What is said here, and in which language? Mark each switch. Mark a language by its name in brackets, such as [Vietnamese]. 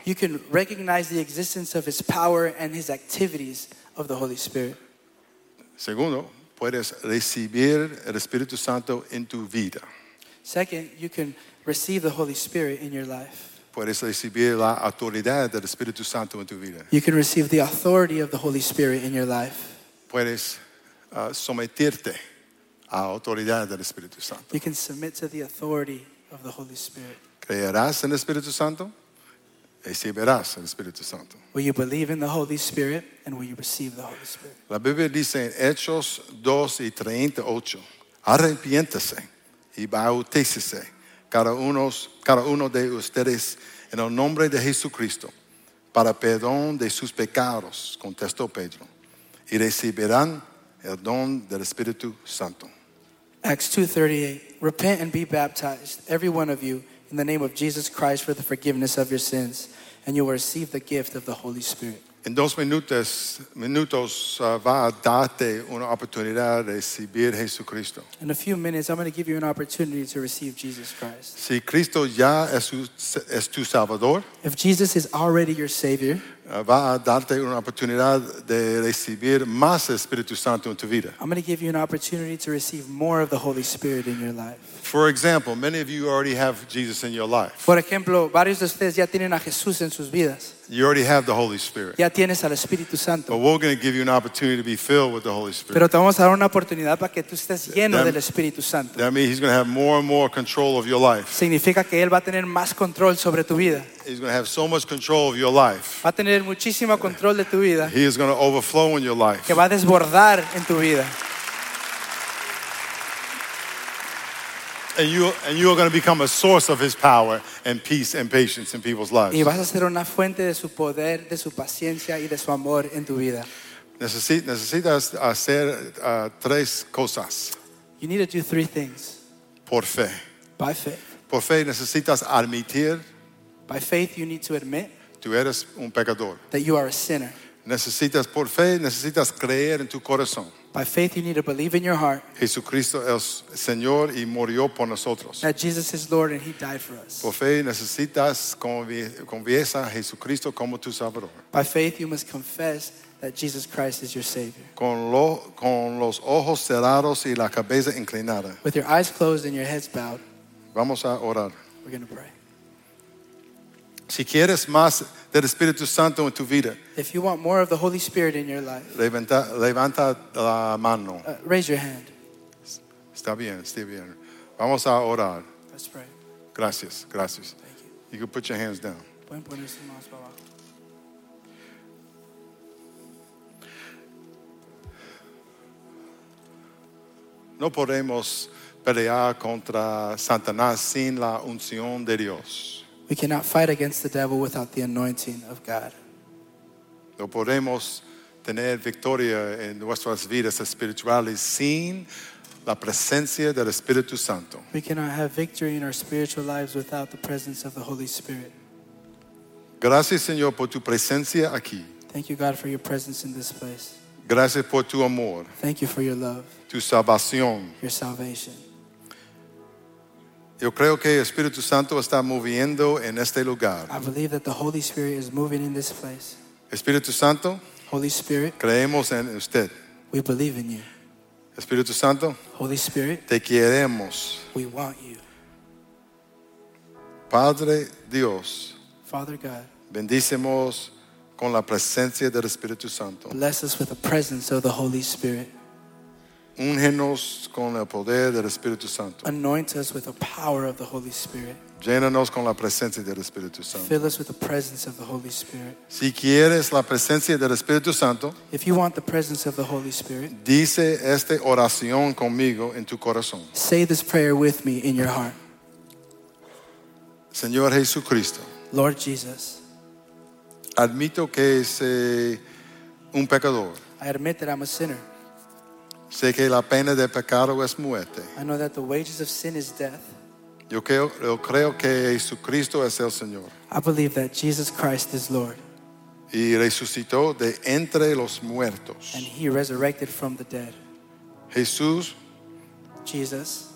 [English] You can recognize the existence of His power and His activities of the Holy Spirit. [Spanish] Segundo, puedes recibir el Espíritu Santo en tu vida. [English] Second, you can receive the Holy Spirit in your life. [Spanish] Puedes recibir la autoridad del Espíritu Santo en tu vida. [English] You can receive the authority of the Holy Spirit in your life. [Spanish] Puedes someterte a autoridad del Espíritu Santo. [English] You can submit to the authority of the Holy Spirit. [Spanish] Creerás en el Espíritu Santo, recibirás el Espíritu Santo. [English] Will you believe in the Holy Spirit and will you receive the Holy Spirit? [Spanish] La Biblia dice en Hechos 2:38, arrepiéntese y bautícese cada uno de ustedes en el nombre de Jesucristo para perdón de sus pecados, contestó Pedro, y recibirán el don del Espíritu Santo. [English] Acts 2:38, repent and be baptized, every one of you, in the name of Jesus Christ for the forgiveness of your sins, and you will receive the gift of the Holy Spirit. [Spanish] En dos minutos va a darte una oportunidad de recibir Jesucristo. [English] In a few minutes, I'm going to give you an opportunity to receive Jesus Christ. [Spanish] Si Cristo ya es tu Salvador, [English] if Jesus is already your Savior, [Spanish] va a darte una oportunidad de recibir más Espíritu Santo en tu vida. [English] I'm going to give you an opportunity to receive more of the Holy Spirit in your life. For example, many of you already have Jesus in your life. [Spanish] Por ejemplo, varios de ustedes ya tienen a Jesús en sus vidas. [English] You already have the Holy Spirit. [Spanish] Ya tienes al Espíritu Santo. [English] But we're going to give you an opportunity to be filled with the Holy Spirit. [Spanish] Pero te vamos a dar una oportunidad para que tú estés lleno del Espíritu Santo. [English] That means He's going to have more and more control of your life. [Spanish] Significa que Él va a tener más control sobre tu vida. [English] He's going to have so much control of your life. [Spanish] Va a tener muchísimo control de tu vida. [English] He is going to overflow in your life. [Spanish] Que va a desbordar en tu vida. [English] And you are going to become a source of His power and peace and patience in people's lives. [Spanish] Y vas a ser una fuente de su poder, de su paciencia y de su amor en tu vida. Necesitas hacer tres cosas. [English] You need to do three things. [Spanish] Por fe. [English] By faith. [Spanish] Por fe necesitas admitir. [English] By faith you need to admit. [Spanish] Tú eres un pecador. [English] That you are a sinner. [Spanish] Necesitas por fe, necesitas creer en tu corazón. [English] By faith you need to believe in your heart. [Spanish] Jesucristo es Señor y murió por nosotros. [English] That Jesus is Lord and He died for us. [Spanish] Por fe necesitas confiesa a Jesucristo como tu Salvador. [English] By faith you must confess that Jesus Christ is your Savior. [Spanish] Con los ojos cerrados y la cabeza inclinada. [English] With your eyes closed and your heads bowed. [Spanish] Vamos a orar. [English] We're going to pray. [Spanish] Si quieres más del Espíritu Santo en tu vida, [English] if you want more of the Holy Spirit in your life, [Spanish] levanta la mano. [English] Raise your hand. [Spanish] Está bien. Vamos a orar. [English] Let's pray. [Spanish] Gracias. [English] Thank you. You can put your hands down. [Spanish] Pueden poner sus manos para abajo. No podemos pelear contra Satanás sin la unción de Dios. [English] We cannot fight against the devil without the anointing of God. [Spanish] No podemos tener victoria en nuestras vidas espirituales sin la presencia del Espíritu Santo. [English] We cannot have victory in our spiritual lives without the presence of the Holy Spirit. [Spanish] Gracias, Señor, por tu presencia aquí. [English] Thank you, God, for your presence in this place. [Spanish] Gracias por tu amor. [English] Thank you for your love. [Spanish] Tu salvación. [English] Your salvation. [Spanish] Yo creo que el Espíritu Santo está moviendo en este lugar. [English] I believe that the Holy Spirit is moving in this place. [Spanish] Espíritu Santo. [English] Holy Spirit. [Spanish] Creemos en usted. [English] We believe in you. [Spanish] Espíritu Santo. [English] Holy Spirit. [Spanish] Te queremos. [English] We want you. [Spanish] Padre Dios. [English] Father God. [Spanish] Bendícemos con la presencia del Espíritu Santo. [English] Bless us with the presence of the Holy Spirit. [Spanish] Úngenos con el poder del Espíritu Santo. [English] Anoint us with the power of the Holy Spirit. [Spanish] Llénanos con la presencia del Espíritu Santo. [English] Fill us with the presence of the Holy Spirit. [Spanish] Si quieres la presencia del Espíritu Santo, [English] if you want the presence of the Holy Spirit, [Spanish] dice esta oración conmigo en tu corazón. [English] Say this prayer with me in your heart. [Spanish] Señor Jesucristo. [English] Lord Jesus. [Spanish] Admito que soy un pecador. [English] I admit that I'm a sinner. [Spanish] Sé que la pena de pecado es muerte. [English] I know that the wages of sin is death. [Spanish] Yo creo que Jesucristo es el Señor. [English] I believe that Jesus Christ is Lord. [Spanish] y resucitó de entre los muertos. [English] And he resurrected from the dead. [Spanish] Jesús, [English] Jesus,